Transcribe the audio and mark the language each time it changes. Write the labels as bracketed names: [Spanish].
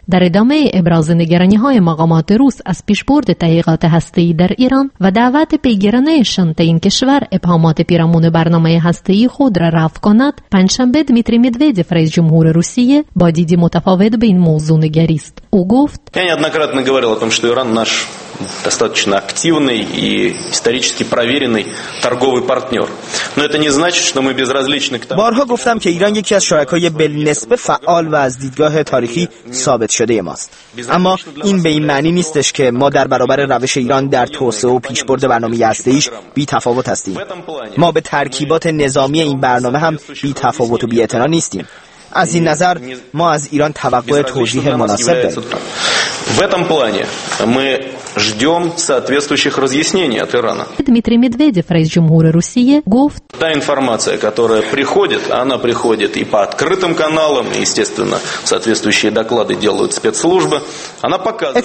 [Persian] در ادامه ابراز نگرانی‌های مقامات روس از پیشبرد تحقیقات هسته‌ای در ایران و دعوت پیگیرانشان تا این کشور ابهامات پیرامون برنامه هسته‌ای خود را رفع کند، پنجشنبه دمیتری مدودف رئیس جمهور روسیه با دیدی متفاوت به این موضوع نگریست. او گفت: [Russian] говорил о том, что Иран наш достаточно активный и исторически проверенный торговый партнер. Но это не значит, что мы безразличны к тому. [Persian] بارها گفتم که ایران یکی از شرکای بالنسبه فعال و از دیدگاه تاریخی ثابت شده ماست. اما این به این معنی نیستش که ما در برابر روش ایران در توسعه و پیشبرد برنامه هسته‌ایش بی تفاوت هستیم. ما به ترکیبات نظامی این برنامه هم بی تفاوت و بی اعتنا نیستیم. از این نظر ما از ایران توقع توجیه مناسب داریم. [Russian] В этом плане мы ждем соответствующих разъяснений от Ирана. Дмитрий Медведев, рейс Джумгура Русия, говорит. Та информация, которая приходит, она приходит и по открытым каналам, и, естественно, соответствующие доклады делают спецслужбы, она показывает.